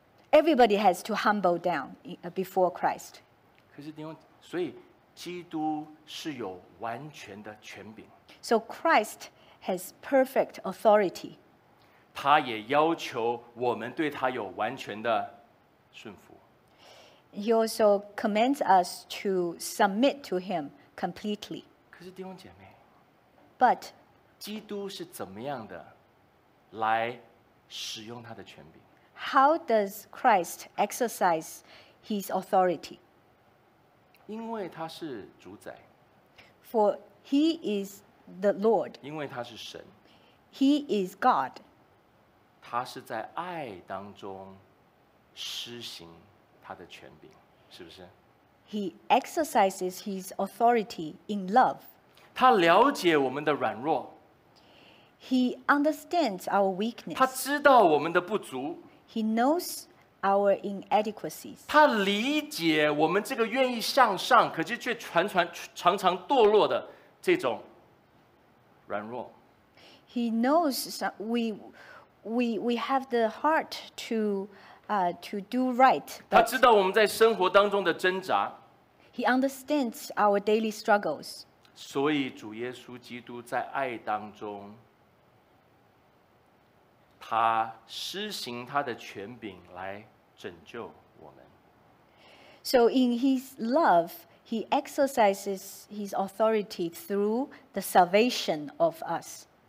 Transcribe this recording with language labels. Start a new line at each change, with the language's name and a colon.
English: Everybody has to humble down before Christ.
Chinese: 可是因为所以基督是有完全的权柄。
English: So Christ has perfect authority.
Chinese: 他也要求我们对他有完全的顺服。
English: He also commands us to submit to him completely.
Chinese: 可是弟兄姐妹
English: ，But
Chinese: 基督是怎么样的来使用他的权柄
English: ？How does Christ exercise his authority?
Chinese: 因为他是主宰。
English: For he is The Lord.
Chinese: 因为他是神
English: He is God.
Chinese: 他是在爱当中施行他的权柄，是不是？
English: He exercises his authority in love.
Chinese: 他了解我们的软弱
English: He understands our weakness.
Chinese: 他知道我们的不足
English: He knows our inadequacies.
Chinese: 他理解我们这个愿意向上，可是却常常堕落的这种
English: He knows we have the heart to do right.
Chinese: 他知道我们在生活当中的挣扎。
English: He understands our daily struggles.
Chinese: 所以主耶稣基督在爱当中，他施行他的权柄来拯救我们。
English: So in his love, he exercises his authority through the salvation of us.